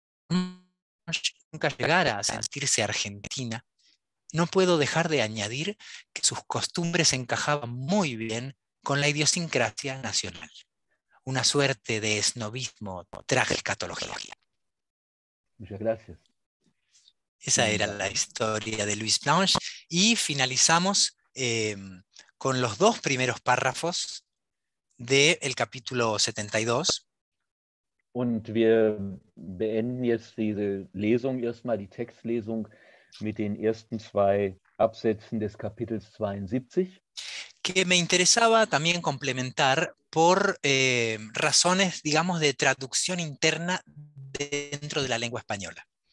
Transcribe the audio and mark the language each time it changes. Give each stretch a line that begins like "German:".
Spanish: Nunca llegara a sentirse argentina, no puedo dejar de añadir que sus costumbres encajaban muy bien con la idiosincrasia nacional, una suerte de esnobismo tragicatológico. Muchas gracias. Esa era la historia de Louise Blanche. Y finalizamos con los 2 primeros párrafos del capítulo 72.
German: Und wir beenden jetzt diese Lesung, erstmal die Textlesung, mit den ersten 2 Absätzen des Kapitels 72.
Spanish: Que me interesaba también complementar por razones, digamos, de traducción interna dentro de la lengua española.